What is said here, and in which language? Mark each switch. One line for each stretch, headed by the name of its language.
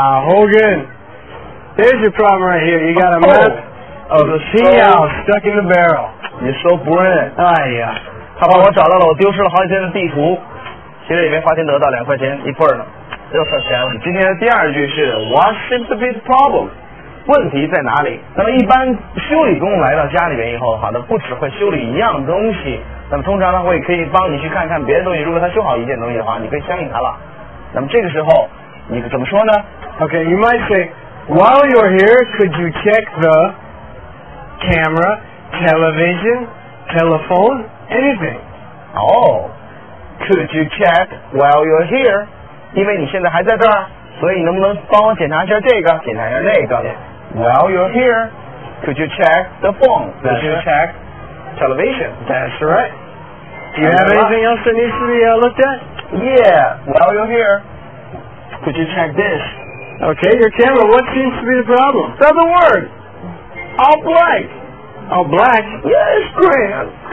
English: Hogan, there's your problem right here. You got a map of the Pinhal stuck in the barrel. You're so brilliant.
Chinese: 哎呀，他帮我找到了我丢失了好几天的地图，其实也没花钱得到两块钱一份呢，又省钱了。今天的第二句是
English: What seems to be the problem?
Chinese: 问题在哪里？那么一般修理工来到家里面以后，好的，不只会修理一样东西。那么通常呢，我也可以帮你去看看别的东西。如果他修好一件东西的话，你可以相信他了。那么这个时候，你怎么说呢
English: ？Okay, you might say, while you're here, could you check the camera, television, telephone, anything? Oh, could you check while you're here?
Chinese: 因为你现在还在这儿，所以你能不能帮我检查一下这个，检查一下那个 ？
English: While you're here, could you check the phone? Could you check? Television. That's right. Do you have anything else that needs to be looked at? Yeah. While you're here, could you check this? Okay, your camera. What seems to be the problem? Doesn't work. All black. All black? Yeah, it's grand.